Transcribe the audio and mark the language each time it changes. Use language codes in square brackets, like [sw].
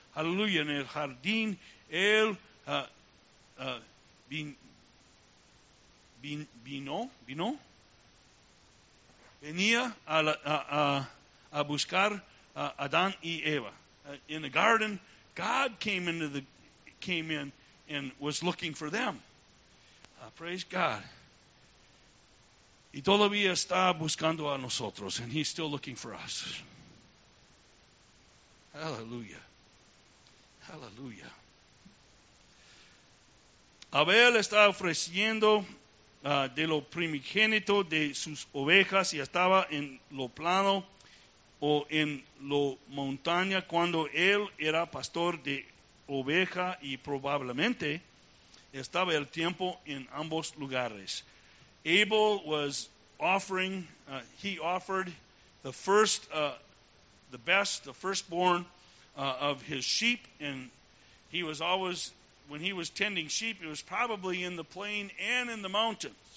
[es] Hallelujah. En el jardín, Él venía a buscar Adán y Eva. [en] In the garden, God came in and was looking for them. Praise God. [es] Y todavía está buscando a nosotros. [en] And he's still looking for us. Hallelujah. Hallelujah. [es] Abel está ofreciendo de lo primigénito de sus ovejas y estaba en lo plano o en lo montaña cuando él era pastor de oveja y probablemente estaba el tiempo en ambos lugares. [en] Abel was offering, he offered the first, the best, the firstborn of his sheep, and he was always, when he was tending sheep, it was probably in the plain and in the mountains.